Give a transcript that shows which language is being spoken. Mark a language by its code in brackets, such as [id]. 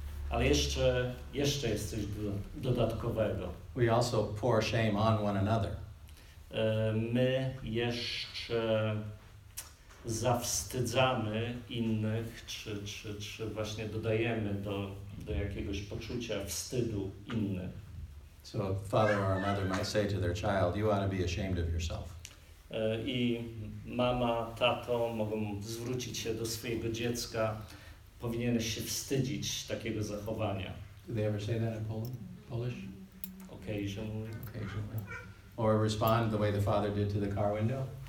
[pl] Ale jeszcze jest coś dodatkowego. [en] We also pour shame on one another. [pl] My jeszcze zawstydzamy innych, czy właśnie dodajemy do jakiegoś poczucia wstydu innych. [en] So a father or a mother might say to their child, you ought to be ashamed of yourself. [pl] I mama, tato mogą zwrócić się do swojego dziecka, powinieneś się wstydzić takiego zachowania. [en] Do they ever say that in Polish? Occasionally. Or respond the way the father did to the car window?